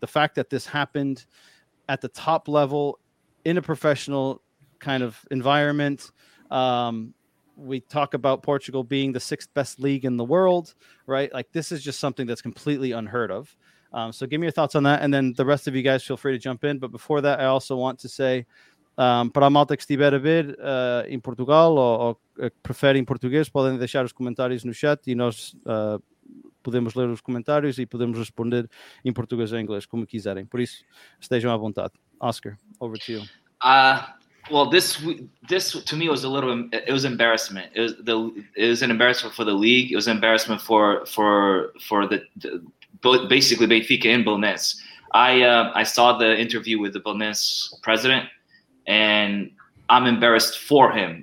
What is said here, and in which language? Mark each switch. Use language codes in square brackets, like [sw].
[en] The fact that this happened at the top level in a professional kind of environment. We talk about Portugal being the sixth best league in the world, right? Like, this is just something that's completely unheard of. So give me your thoughts on that. And then the rest of you guys feel free to jump in. But before that, I also want to say, [pt] para malta que estiver a ver em Portugal ou prefere em português, podem deixar os comentários no chat e nós podemos ler os comentários e podemos responder em português ou inglês, como quiserem. Por isso, estejam à vontade. [en] Oscar, over to you. Well, this to me was a little, it was embarrassment. It was an embarrassment for the league. It was an embarrassment for the basically Benfica and Belenenses. I saw the interview with the Belenenses president, and I'm embarrassed for him.